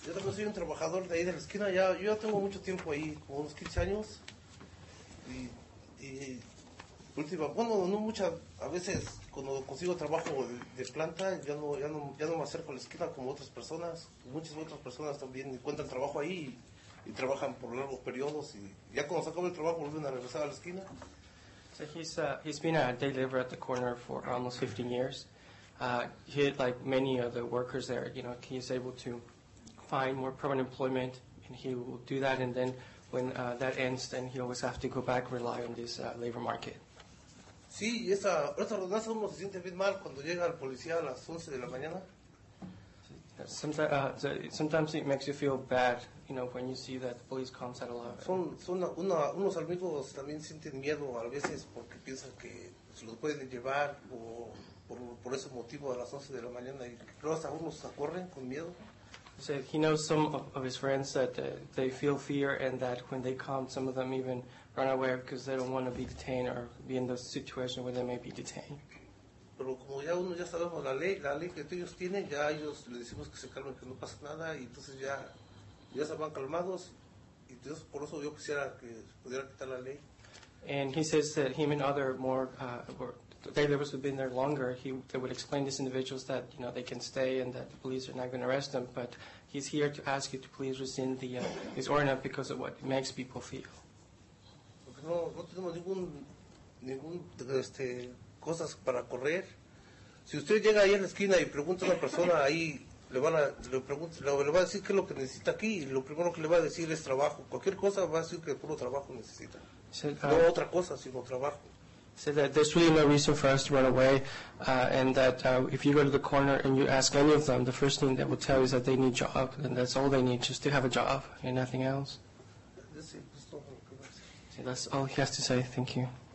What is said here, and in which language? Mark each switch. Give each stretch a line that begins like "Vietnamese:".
Spanish: Yo también soy un trabajador de ahí de la esquina. Ya, yo ya tengo mucho tiempo ahí, como unos 15 años. Y Última, bueno, no muchas, a veces cuando consigo trabajo de planta, ya no me acerco a la esquina como otras personas. Muchas otras personas también encuentran trabajo ahí y trabajan por largos periodos y ya cuando se acaba el trabajo vuelven a regresar a la esquina.
English: So he's been a day laborer at the corner for almost 15 years. He, like many of the workers there, you know, he's able to find more permanent employment, and he will do that. And then when that ends, then he always have to go back, rely on this labor market.
Spanish: Sí, esa persona se siente bien mal cuando llega el policía a las 11 de la mañana.
English: Sometimes it makes you feel bad, you know, when you see that the police comes at 11.
Spanish: Unos amigos también sienten miedo a veces porque piensan que se los pueden llevar o por ese motivo a las 11 de la mañana y creo hasta unos corren con miedo.
English: So he knows some of his friends that they feel fear and that when they come, some of them even run away because they don't want to be detained or be in the situation where they may be detained.
Spanish: Pero como ya uno ya sabemos la ley que ellos tienen, ya ellos le decimos que se calmen, que no pasa nada, y entonces ya se van calmados, y entonces por eso yo quisiera que pudiera quitar la ley.
English: And he says that him and other more daily laborers who've been there longer, they would explain to these individuals that, you know, they can stay and that the police are not going to arrest them, but he's here to ask you to please rescind the his ordinance because of what it makes people feel.
Spanish: Porque no tenemos ningún cosas para correr. Si usted llega ahí a la esquina y pregunta a una persona ahí, le va a decir qué es lo que necesita aquí, y lo primero que le va a decir es trabajo. Cualquier cosa va a decir que puro trabajo necesita. No otra cosa, sino trabajo.
English: Said that there's really no reason for us to run away, and that if you go to the corner and you ask any of them, the first thing they will tell you is that they need a job, and that's all they need, just to have a job and nothing else. So that's all he has to say. Thank you.